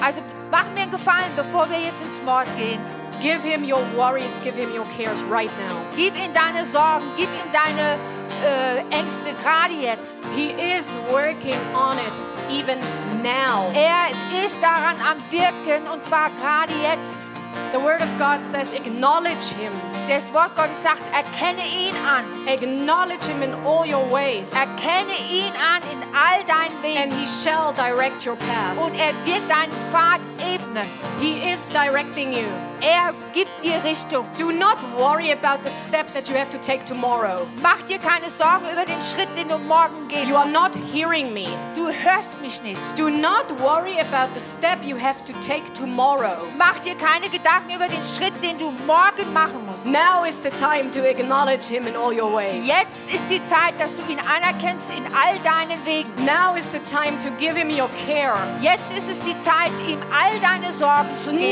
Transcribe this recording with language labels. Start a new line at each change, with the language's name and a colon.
German: Also mach mir einen Gefallen, bevor wir jetzt ins Wort gehen.
English: Give him your worries, give him your cares right now.
German: Gib ihm deine Sorgen, gib ihm deine Ängste gerade jetzt.
English: He is working on it even now.
German: Er ist daran am Wirken und zwar gerade jetzt.
English: The word of God says, acknowledge him.
German: Das Wort Gottes sagt, erkenne ihn an.
English: Acknowledge him in all your ways.
German: Erkenne ihn an in all deinen Wegen.
English: And he shall direct your path.
German: Und er wird deinen Pfad ebnen.
English: He is directing you.
German: Er gibt dir Richtung.
English: Do not worry about the step that you have to take tomorrow.
German: Mach dir keine Sorgen über den Schritt, den du morgen gehst.
English: You are not hearing me.
German: Du hörst mich nicht.
English: Do not worry about the step you have to take tomorrow.
German: Mach dir keine Gedanken über den Schritt, den du morgen machen musst.
English: Now is the time to acknowledge him in all your ways.
German: Jetzt ist die Zeit, dass du ihn anerkennst in all deinen Wegen.
English: Now is the time to give him your care.
German: Jetzt ist es die Zeit, ihm all deine Sorgen zu geben.